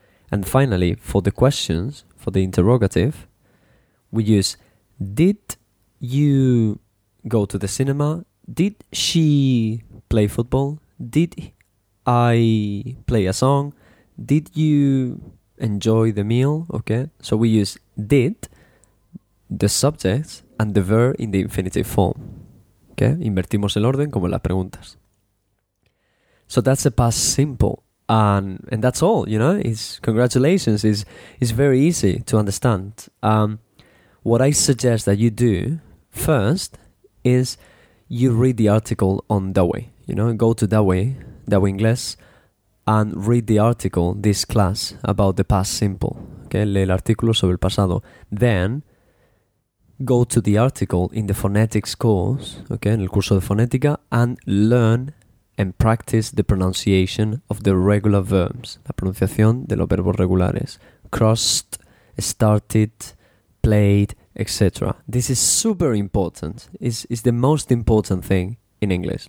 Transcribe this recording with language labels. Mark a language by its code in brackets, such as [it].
[en] And finally, for the questions, for the interrogative, we use, did you go to the cinema? Did she play football? Did I play a song? Did you enjoy the meal? Okay, so we use did, the subject, and the verb in the infinitive form. [es] Okay, invertimos el orden como las preguntas. [en] So that's the past simple. And that's all, you know, it's congratulations, it's very easy to understand. What I suggest that you do first is you read the article on Dawei, you know, go to Dawei, Dawei Inglés, and read the article, this class, about the past simple, okay, lee el artículo sobre el pasado. Then, go to the article in the phonetics course, okay, en el curso de fonética, and learn and practice the pronunciation of the regular verbs. [es] La pronunciación de los verbos regulares. [en] Crossed, started, played, etc. This is super important. It's the most important thing in English.